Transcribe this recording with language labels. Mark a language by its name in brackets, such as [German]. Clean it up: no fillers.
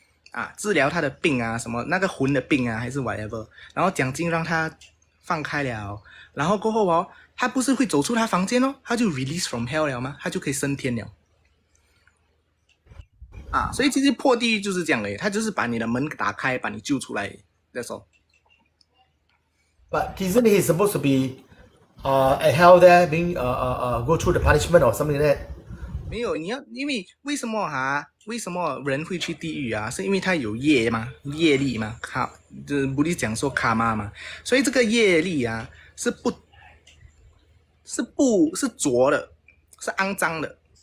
[Chinese] 啊，治疗他的病啊，什么那个魂的病啊，还是 whatever， 然后奖金让他放开了，然后过后哦，他不是会走出他房间哦，他就 [English] release from hell [Chinese] 了吗？他就可以升天了。啊，所以其实破地狱就是这样的，他就是把你的门打开，把你救出来。 [English] That's all. But isn't he supposed to be, at hell there, being go through the punishment or something like that? [Chinese] 没有，你要因为为什么哈、啊？为什么人会去地狱啊？是因为他有业吗？业力吗？卡就是不是讲说卡妈嘛？所以这个业力啊，是浊的，是肮脏的。